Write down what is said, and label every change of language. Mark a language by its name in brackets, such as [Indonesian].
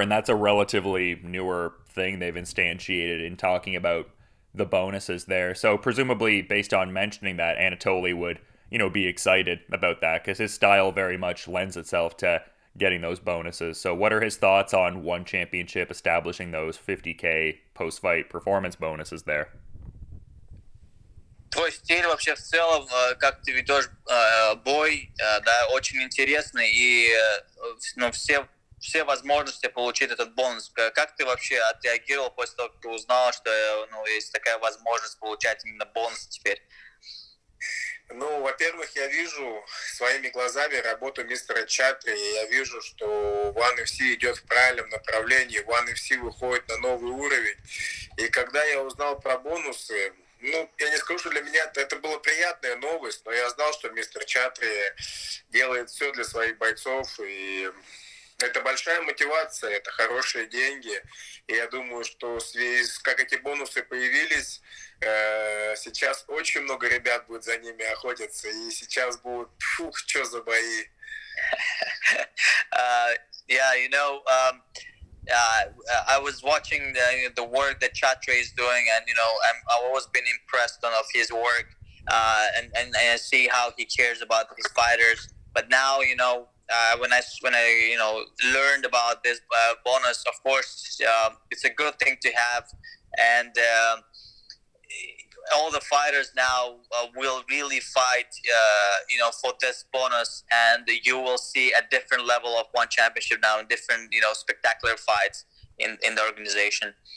[English] And that's a relatively newer thing they've instantiated in talking about the bonuses there. So presumably based on mentioning that, Anatoly would, you know, be excited about that because his style very much lends itself to getting those bonuses. So what are his thoughts on one championship establishing those 50K post-fight performance bonuses there? [Russian] Твой стиль вообще в целом, как ты ведешь бой, да, очень интересный, и ну, все возможности получить этот бонус. Как ты вообще отреагировал после того, как ты узнал, что ну, есть такая возможность получать именно бонус теперь? Ну, во-первых, я вижу своими глазами работу мистера Чатри, и я вижу, что One FC идет в правильном направлении, One FC выходит на новый уровень. И когда я узнал про бонусы, ну, я не скажу, что для меня это была приятная новость, но я знал, что мистер Чатри делает все для своих бойцов, и это большая мотивация, это хорошие деньги. И я думаю, что в связи с как эти бонусы появились, сейчас очень много ребят будет за ними охотиться, и сейчас будут, фух, что за бои. [English] Yeah, you know, I was watching the work that Chatra is doing, and you know, I've always been impressed on of his work, and I see how he cares about his fighters. But now, you know, when I you know learned about this bonus, of course, it's a good thing to have, and all the fighters now will really fight, you know, for this bonus, and you will see a different level of one championship now, and different, you know, spectacular fights in the organization.